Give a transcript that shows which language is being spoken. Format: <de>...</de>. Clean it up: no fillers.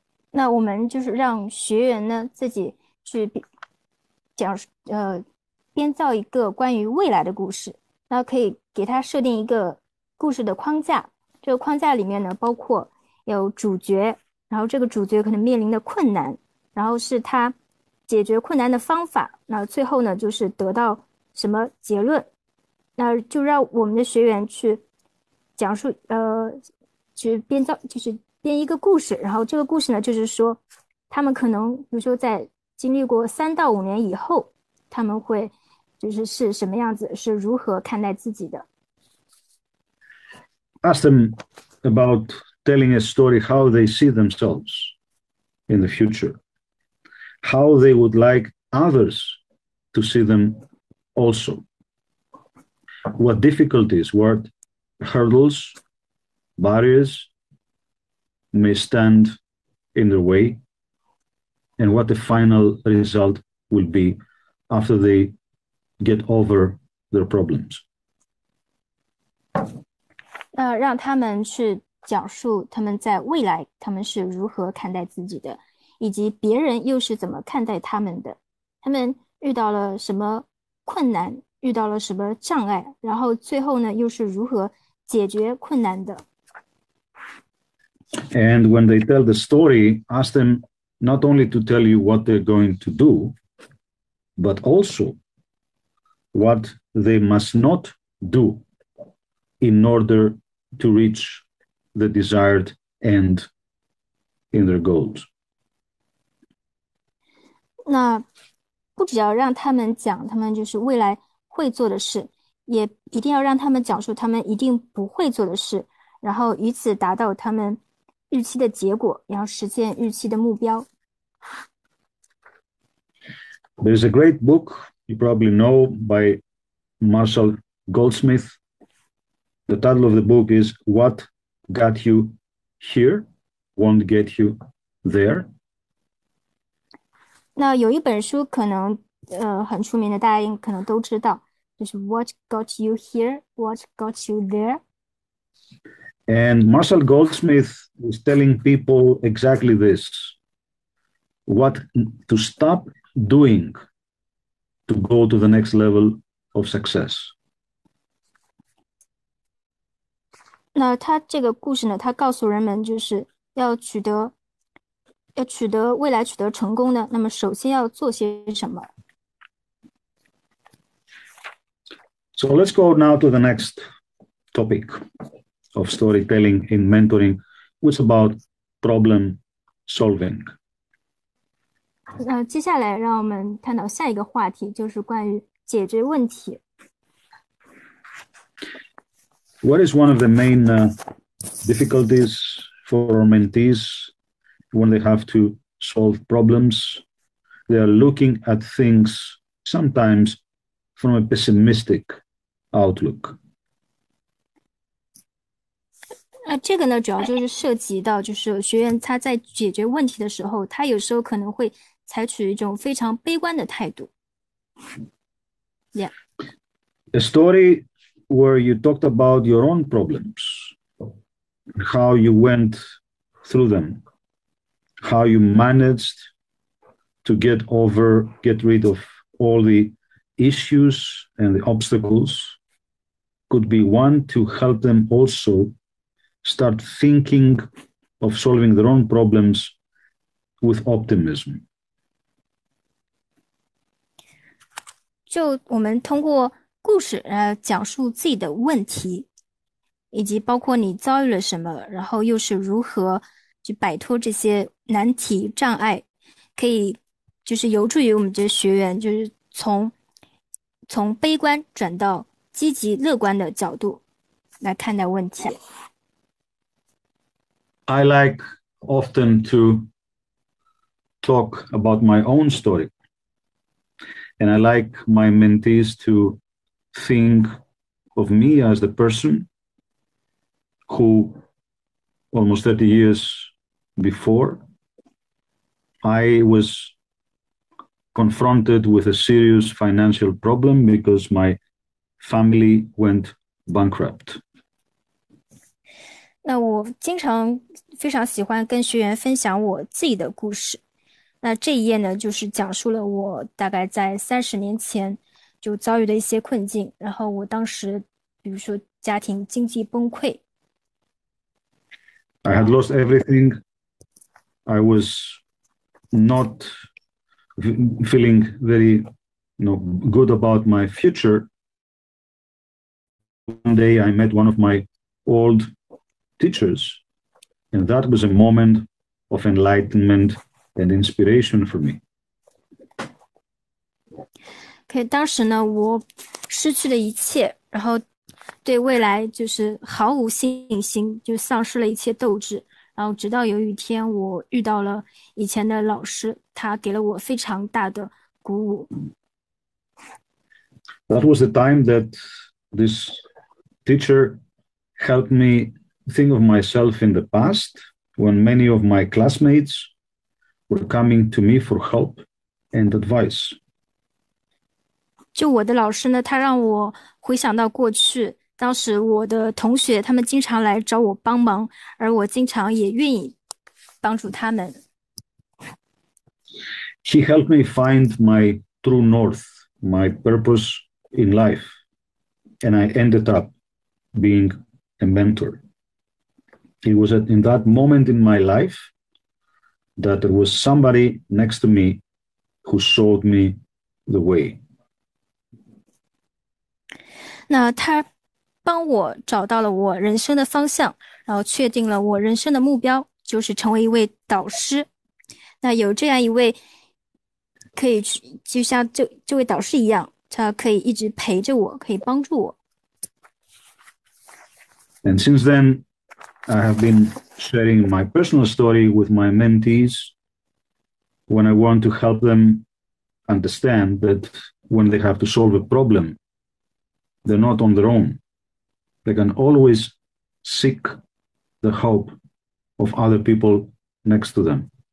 <zh>那我们就是让学员呢自己去讲编造一个关于未来的故事，那可以给他设定一个故事的框架，这个框架里面呢包括有主角，然后这个主角可能面临的困难，然后是他解决困难的方法，那最后呢就是得到什么结论，那就让我们的学员去讲述去编造，就是编一个故事，然后这个故事呢就是说他们可能比如说在经历过3到5年以后，他们会就是是什么样子，是如何看待自己的。</zh> <en>Ask them about telling a story how they see themselves in the future, how they would like others to see them also, what difficulties, what hurdles, barriers may stand in their way, and what the final result will be after they get over their problems.</en> <zh>那让他们去讲述他们在未来他们是如何看待自己的，以及别人又是怎么看待他们的，他们遇到了什么困难，遇到了什么障碍，然后最后呢又是如何解决困难的。</zh> <en>And when they tell the story, ask them not only to tell you what they're going to do, but also what they must not do in order to reach the desired end in their goals.</en> <zh>那不只要让他们讲他们就是未来会做的事，也一定要让他们讲述他们一定不会做的事，然后以此达到他们预期的结果，然后实现预期的目标。</zh> <en>There's a great book you probably know by Marshall Goldsmith. The title of the book is What Got You Here Won't Get You There.</en> <zh>那有一本书可能很出名的，大家可能都知道，就是 What Got You Here What Got You There。</zh> <en>And Marshall Goldsmith is telling people exactly this, what to stop doing to go to the next level of success.</en> <zh>那他这个故事呢，他告诉人们就是要取得未来取得成功的，那么首先要做些什么。</zh> <en>So let's go now to the next topic of storytelling in mentoring, which is about problem solving.</en> <zh>那接下来让我们探讨下一个话题，就是关于解决问题。</zh> <en>What is one of the main difficulties for our mentees when they have to solve problems? They are looking at things sometimes from a pessimistic outlook.</en> <zh>这个呢，主要就是涉及到，就是学员他在解决问题的时候，他有时候可能会采取一种非常悲观的态度。</zh> <en>A story where you talked about your own problems, how you went through them, how you managed to get rid of all the issues and the obstacles could be one to help them also start thinking of solving their own problems with optimism.</en> <zh>就我们通过故事来讲述自己的问题，以及包括你遭遇了什么，然后又是如何去摆脱这些难题障碍，可以就是有助于我们这些学员，就是从悲观转到积极乐观的角度来看待问题。</zh> <en>I like often to talk about my own story. And I like my mentees to think of me as the person who almost 30 years before I was confronted with a serious financial problem because my family went bankrupt.</en> <zh>那我经常非常喜欢跟学员分享我自己的故事。那这一页呢，就是讲述了我大概在30年前就遭遇的一些困境。然后我当时，比如说家庭经济崩溃。</zh> <en>I had lost everything. I was not feeling very, good about my future. One day I met one of my old teachers, and that was a moment of enlightenment and inspiration for me.</en> <zh>Okay, 当时呢，我失去了一切，然后对未来就是毫无信心，就丧失了一切斗志。然后直到有一天，我遇到了以前的老师，他给了我非常大的鼓舞。</zh> <en>That was the time that this teacher helped me think of myself in the past when many of my classmates were coming to me for help and advice.</en> <zh>就我的老师呢，他让我回想到过去，当时我的同学他们经常来找我帮忙，而我经常也愿意帮助他们。</zh> <en>He helped me find my true north, my purpose in life, and I ended up being a mentor. It was in that moment in my life that there was somebody next to me who showed me the way.</en> <zh>那他帮我找到了我人生的方向，然后确定了我人生的目标，就是成为一位导师。那有这样一位可以去，就像这位导师一样，他可以一直陪着我，可以帮助我。</zh> <en>And since then, I have been sharing my personal story with my mentees when I want to help them understand that when they have to solve a problem, they're not on their own. They can always seek the help of other people next to them.</en>